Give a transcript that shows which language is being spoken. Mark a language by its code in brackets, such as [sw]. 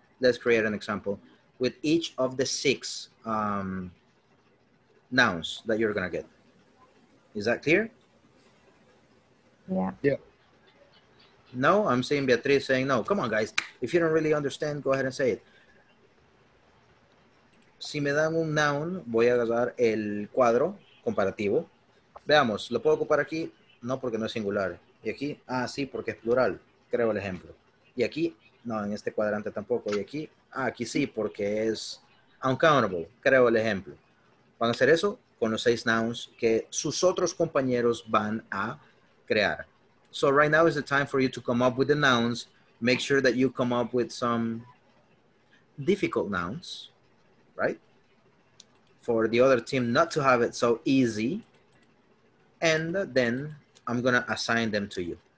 [en] Let's create an example with each of the six nouns that you're gonna get. Is that clear? Yeah. Yeah. No, I'm seeing Beatriz saying no. Come on, guys. If you don't really understand, go ahead and say it. [es] Si me dan un noun, voy a agarrar el cuadro comparativo. Veamos, ¿lo puedo ocupar aquí? No, porque no es singular. Y aquí, ah, sí, porque es plural. Creo el ejemplo. Y aquí, no, en este cuadrante tampoco. Y aquí, ah, aquí sí, porque es uncountable. Creo el ejemplo. Van a hacer eso con los seis nouns que sus otros compañeros van a crear. [en] So right now is the time for you to come up with the nouns. Make sure that you come up with some difficult nouns, right? For the other team not to have it so easy. And then I'm gonna assign them to you.